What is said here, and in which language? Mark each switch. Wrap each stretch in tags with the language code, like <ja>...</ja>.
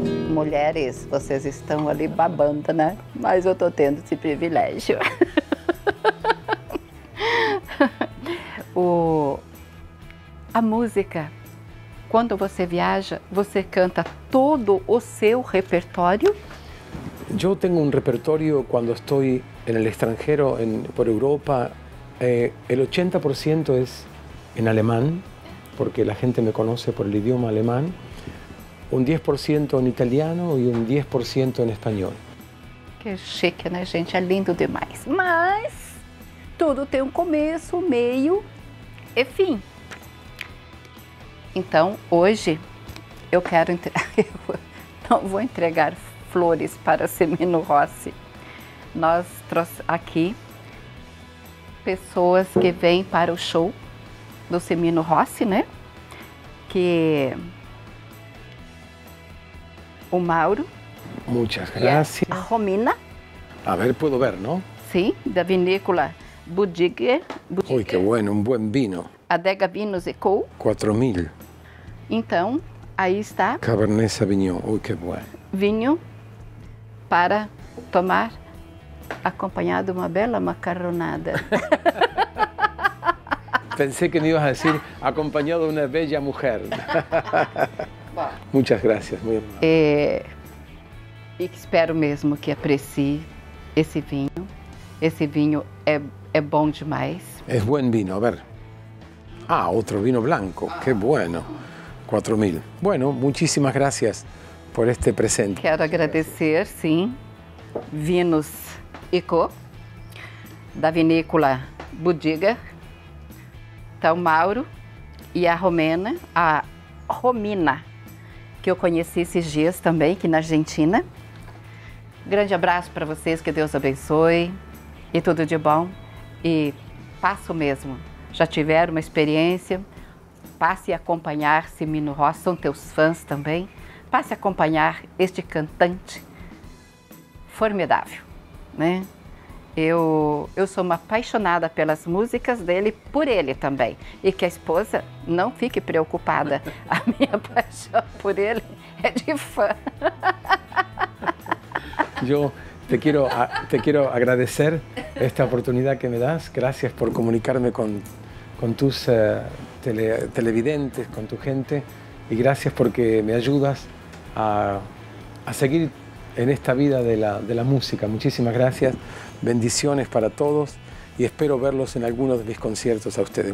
<pt>Mulheres, vocês estão ali babando, né? Mas eu tô tendo esse privilégio. A música, quando você viaja, você canta todo o seu repertório?</pt> <es>Yo tengo un repertorio cuando estoy en el extranjero, por Europa. El 80% es en alemán, porque la gente me conoce por el idioma alemán. Un 10% en italiano y un 10% en español. Qué chique, ¿no, gente?</es> <pt>Es lindo demais.</pt> <es>Mas todo tiene un comienzo, medio y fin. Entonces, hoy, yo quiero entregar. No voy a entregar flores para Semino Rossi.</es> <pt>Nós trouxemos aqui pessoas que vêm para o show do Semino Rossi, né? Que o Mauro.</pt> <es>Muchas gracias.</es> <pt>A Romina.</pt> <es>A ver, puedo ver, ¿no?</es> <pt>Sí, da vinícola Budigue.</pt> <es>Uy, qué bueno, un buen vino.</es> <pt>Adega Vinos e Co. 4000. Então, aí está.</pt> <es>Cabernet Sauvignon, uy, qué bueno.</es> <pt>Vinho para tomar</pt> <es>acompañado de una</es> <pt>bela macarronada.</pt> <es>Pensé que me ibas a decir acompañado de una bella mujer. Muchas gracias, muy amable.</es> <pt>Espero mesmo que aprecie esse vinho. Esse vinho é bom demais.</pt> <es>Es buen vino, a ver. Ah, otro vino blanco, qué bueno. 4000. Bueno, muchísimas gracias por este presente.</es> <pt>Quero agradecer, sim, Vinos Eco, da vinícola Budiga, tal Mauro e a Romena, a Romina, que eu conheci esses dias também, aqui na Argentina. Grande abraço para vocês, que Deus abençoe e tudo de bom. E passo mesmo, já tiveram uma experiência. Passe a acompanhar Semino Rossi, são teus fãs também. Passe a acompanhar este cantante formidável, né? Eu sou uma apaixonada pelas músicas dele, por ele também. E que a esposa não fique preocupada. A minha paixão por ele é de fã. Eu te quero agradecer esta oportunidade que me das.</pt> <es>Gracias por comunicarme com tus televidentes, con tu gente, y gracias porque me ayudas a seguir en esta vida de la música. Muchísimas gracias, bendiciones para todos y espero verlos en algunos de mis conciertos a ustedes.</es>